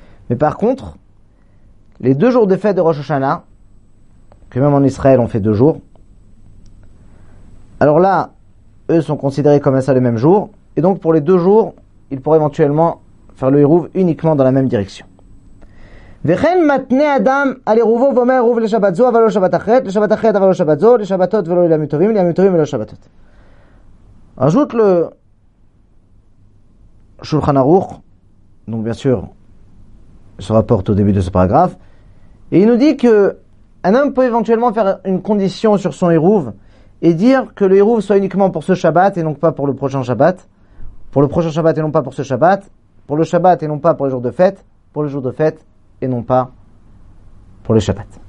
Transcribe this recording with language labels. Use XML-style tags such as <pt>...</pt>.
<fr>Mais par contre, les deux jours de fête de Rosh Hashanah, que même en Israël on fait deux jours, alors là, eux sont considérés comme un seul et même jour, et donc pour les deux jours, ils pourraient éventuellement faire le Hérouv uniquement dans la même direction.</fr> <he>וכן מתנה אדם על עירובו ואומר עירוב לשבת זו אבל לא שבת אחרת לשבת אחרת אבל לא שבת זו לשבתות ולא לימים טובים לימים טובים ולא שבתות.</he> <fr>Ajoute le Shulchan Aruch, donc bien sûr se rapporte au début de ce paragraphe, et il nous dit que un homme peut éventuellement faire une condition sur son Hérouv et dire que le Hérouv soit uniquement pour ce Shabbat et non pas pour le prochain Shabbat, pour le prochain Shabbat et non pas pour ce Shabbat, pour le Shabbat et non pas pour les jours de fête, pour le jour de fête et non pas pour le Shabbat.</fr>